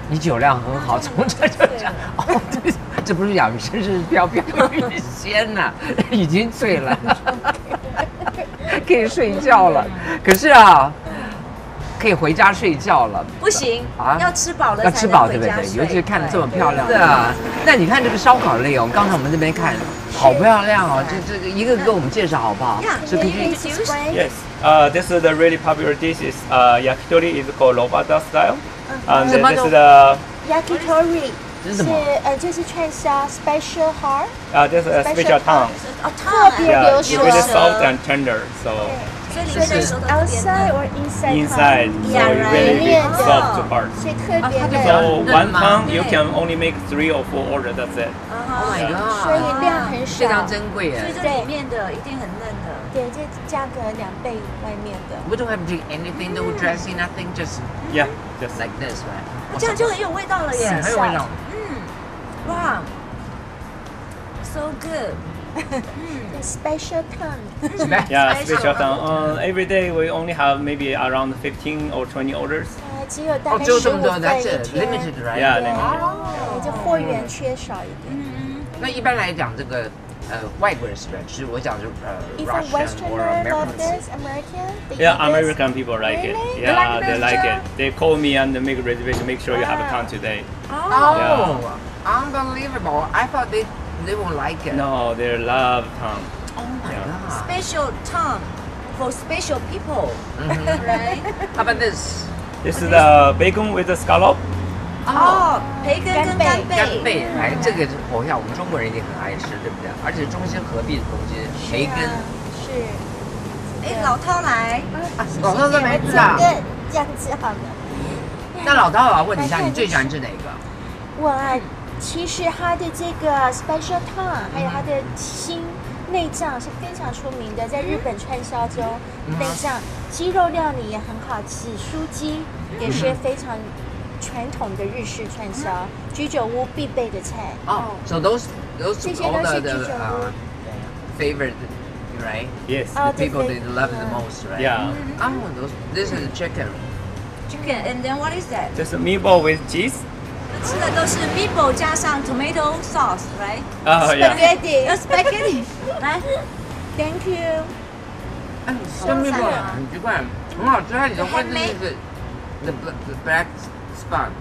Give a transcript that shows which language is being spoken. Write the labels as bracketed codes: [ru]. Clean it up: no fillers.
[zh] 你酒量很好，从这就这样。哦，对，这不是养生，是飘飘欲仙呐，已经醉了，可以睡觉了。可是啊。可以回家睡觉了，不行、啊、要吃饱了才能回家睡，要吃饱，对不对？尤其是看得这么漂亮，对啊。那你看这个烧烤类哦，刚才我们这边看好漂亮哦，这一个给我们介绍好不好？是可以 [en] ，Yes， this is the really popular dish is yakitori is called Robata style， and this is the yakitori。 [zh] 这是串烧 [en] special heart [zh] 啊，这是 special tongue， 特别流水 [en] ，with soft and tender， so [zh] 这是 [en] outside or inside？ Inside， so really soft part， [zh] 是特别的。 [en] So one tongue you can only make 3 or 4 order， that's it。 Oh my god， [zh] 所以量很少，非常珍贵耶。所以这里面的一定很嫩的。对，这价格两倍外面的。 [en] We don't have to anything, no dressing, nothing, just yeah, just like this, right? [zh] 这样就很有味道了耶，很有味道。 [en] 哇 ，so good. Special tongue. Yeah, special tongue. Every day we only have maybe around 15 or 20 orders. [zh] 只有大概十五份一天。 [en] That's it. Limited, right? Yeah, limited. [zh] 就货源缺少一点。那一般来讲，这个。外国人是不是？是我讲是 [en] If a Westerner loves this, American? Yeah, American people like it. Really? Yeah, they like it. They call me and make a reservation. Make sure you have a time today. Oh, yeah. Unbelievable. I thought they won't like it. No, they love tongue. Oh my god. Special tongue for special people. Right? How about this? This is the bacon with the scallop. [zh] 培根跟干贝、哎、这个我想我们中国人也很爱吃，对不对？而且中西合璧的东西，培根是老涛来、老涛都没吃啊，这样子好了。那老涛我要问你一下，你最喜欢吃哪个？我其实他的这个 special tongue 还有他的心内脏是非常出名的，在日本串烧中内脏鸡肉料理也很好吃，酥鸡也是非常传统的日式串烧，居酒屋必备的菜。哦、 [en] oh, ，so those [zh] 这些都是居酒屋的、 [en] favorite。Right? Yes. The people they love the most, right? Yeah. This is chicken. Chicken, and then what is that? Just a meatball with cheese. [zh] 吃的都是 meatball 加上 [en] tomato sauce, right? Spaghetti. Spaghetti. [zh] 来 [en] Thank you. [zh] 这 meatball 很奇怪，很好吃。你的关键就是 [en] the black spot.